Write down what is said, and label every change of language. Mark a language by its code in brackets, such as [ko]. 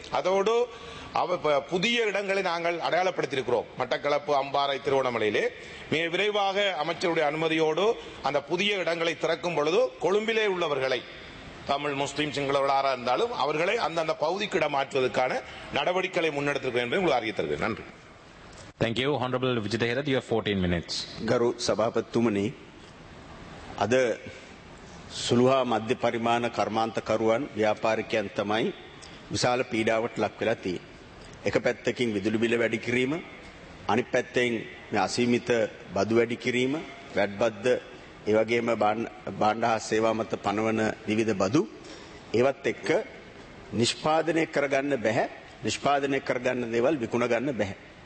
[ta] அதோடு புதிய இடங்களை நாங்கள் அடையாளப்படுத்தியிருக்கிறோம். மட்டக்களப்பு, அம்பாறை, திருவண்ணாமலையிலே மிக விரைவாக அமைச்சருடைய அனுமதியோடு அந்த புதிய இடங்களை திறக்கும் பொழுது கொழும்பிலே உள்ளவர்களை தமிழ் முஸ்லீம் சிங்களவராக இருந்தாலும் அவர்களை அந்தந்த பகுதிக்கு இடம் மாற்றுவதற்கான நடவடிக்கைகளை முன்னெடுத்திருக்கிறோம் என்பதை உங்களுக்கு அறிவித்திருக்கிறேன். நன்றி. [en] Thank you honorable Vijayadeherat, you have 14 minutes. [si] கரு சபாபத்துமணி, අද සුළුහා මධ්‍ය පරිමාණ කර්මාන්තකරුවන් ව්‍යාපාරිකයන් තමයි විශාල පීඩාවට ලක් වෙලා තියෙන්නේ. එක පැත්තකින් විදුලි බිල වැඩි කිරීම, අනිත් පැත්තෙන් මේ අසීමිත බදු වැඩි කිරීම, වැඩ් බද්ද, ඒ වගේම භාණ්ඩ හා සේවා මත පනවන විවිධ බදු, ඒවත් එක්ක නිෂ්පාදනය කරගන්න බැහැ, නිෂ්පාදනය කරගන්න දේවල් විකුණ ගන්න බැහැ.